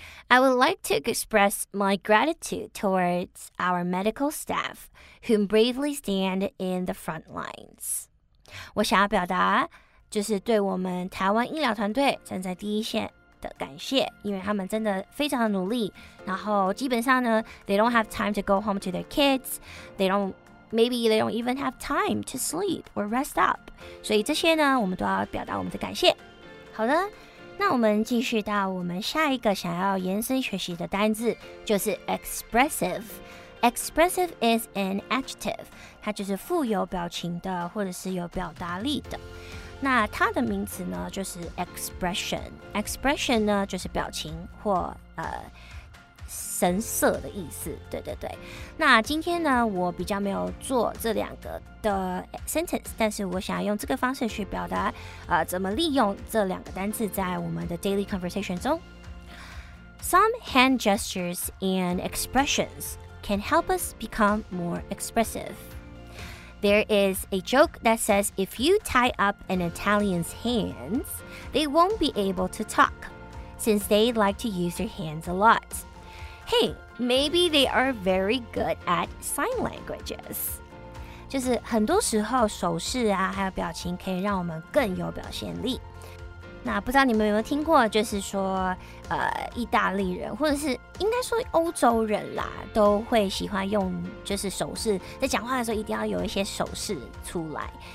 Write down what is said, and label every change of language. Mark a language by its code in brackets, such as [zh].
[en] I would like to express my gratitude towards our medical staff who bravely stand in the front lines. [zh] 我想要表达就是对我们台湾医疗团队站在第一线的感谢，因为他们真的非常的努力。然后基本上呢 [en] ，they don't have time to go home to their kids. Maybe they don't even have time to sleep or rest up. [zh] 所以这些呢，我们都要表达我们的感谢。好的，那我们继续到我们下一个想要延伸学习的单字，就是 expressive. [en] Expressive is an adjective. [zh] 它就是富有表情的，或者是有表达力的。那它的名词呢，就是 expression. Expression 呢，就是表情或神色的意思，对对对。那今天呢，我比较没有做这两个的 sentence， 但是我想用这个方式去表达，怎么利用这两个单字在我们的 [en] daily conversation [zh] 中。 [en] Some hand gestures and expressions can help us become more expressive. There is a joke that says if you tie up an Italian's hands, they won't be able to talk, since they like to use their hands a lot. Hey, maybe they are very good at sign languages. [zh] 就是很多时候手势啊，还有表情可以让我们更有表现力。那不知道你们有没有听过，就是说意大利人或者是应该说欧洲人啦，都会喜欢用就是手势，在讲话的时候一定要有一些手势出来。